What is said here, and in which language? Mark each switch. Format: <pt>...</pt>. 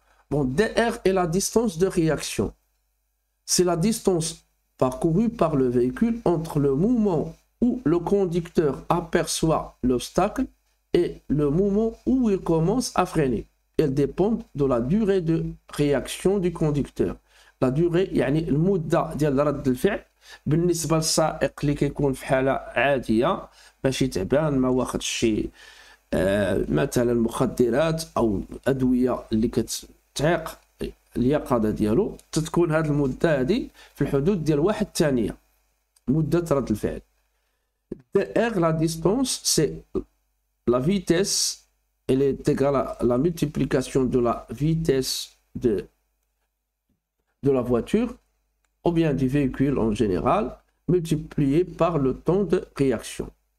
<fr>Bon, DR est la distance de réaction. C'est la distance parcouru par le véhicule entre le moment où le conducteur aperçoit l'obstacle et le moment où il commence à freiner. Elle dépend de la durée de réaction du conducteur. La durée,</fr> <ar>yani le mouda ديال رد الفعل بالنسبه للسائق اللي كيكون في حاله عاديه ماشي تعبان ما واخدش شي مثلا مخدرات او ادويه اللي كتعيق اليقظة ديالو تتكون هذه المدة هذه في الحدود ديال واحد ثانية مدة رد الفعل.</ar> <fr>DR la distance c'est la vitesse elle est égale à la multiplication de la vitesse de la voiture ou bien du véhicule en général multiplié par le temps de réaction.</fr>